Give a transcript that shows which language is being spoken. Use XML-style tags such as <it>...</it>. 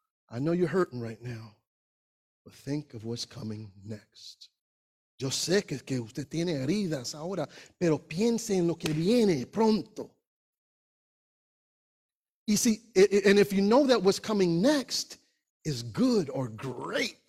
<en>I know you're hurting right now, but think of what's coming next.</en> <es>Yo sé que usted tiene heridas ahora, pero piense en lo que viene pronto.</es> <en>You see, and if you know that what's coming next is good or great.</en>